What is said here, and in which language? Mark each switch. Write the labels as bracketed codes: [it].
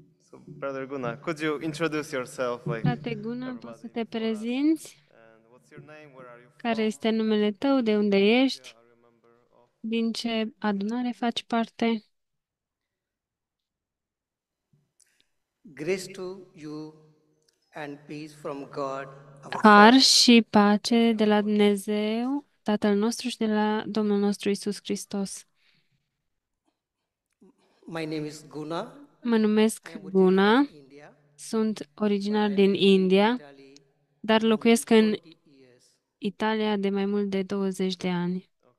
[en] So, brother Guna, could you introduce yourself? [ro] Like, Frate Guna, poți să te prezinți? [en] And what's your name? Where are you from? [ro] Care este numele tău? De unde ești? Din ce adunare faci parte? [en] Grace to you and peace from God. [ro] Har și pace de la Dumnezeu, Tatăl nostru și de la Domnul nostru Iisus Hristos. [en] My name is Guna. [ro] Mă numesc Guna. Sunt originar din India, dar locuiesc în Italia de mai mult de 20 de ani.